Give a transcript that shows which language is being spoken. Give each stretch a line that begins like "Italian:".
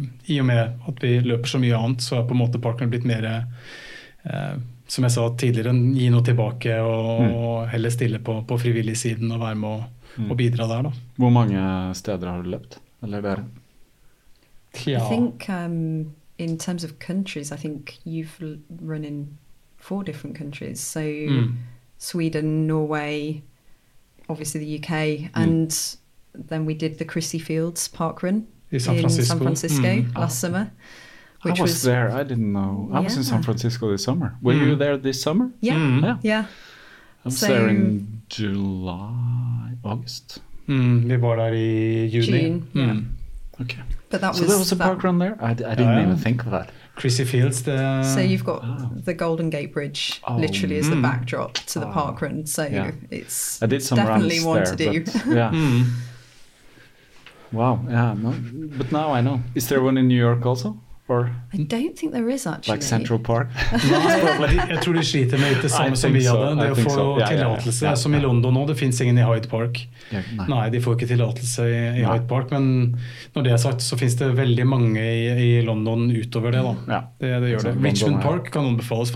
Norwegian: I og med at vi løper så mye annet, så har på en måte parkrun blitt mer, som jeg sa tidligere, gi noe tilbake og, og heller stille på frivillig siden og være med og bidra der. Da. Hvor mange steder har du løpt? Eller der?
English: Ja. I think in terms of countries, I think you've run in 4 different countries. So Sweden, Norway, obviously the UK, and then we did the Crissy Fields Park Run in San Francisco last summer. Which I was there. I didn't know. I was in San Francisco this summer. Were you there this summer? Yeah. I was there in July, August. We were there in June. Okay. But that was, so there was a park run there? I didn't even think of that. Crissy Fields. The... So you've got the Golden Gate Bridge literally as the backdrop to the park run. So it's I did some definitely runs one there, to do. But, yeah. Wow. Yeah. No, but now I know. Is there one in New York also? Or I don't think there is actually. Like Central Park?
Norwegian: Jeg tror de sliter med det samme som vi hadde. Det å få tilatelse. Som i London nå, det finnes ingen i Hyde Park.
English: Yeah,
Norwegian: nei, de får ikke tilatelse i Hyde Park. Men når det er sagt, så finnes det veldig mange i London utover det. Da. Ja. Det gjør det. Richmond Park kan anbefales.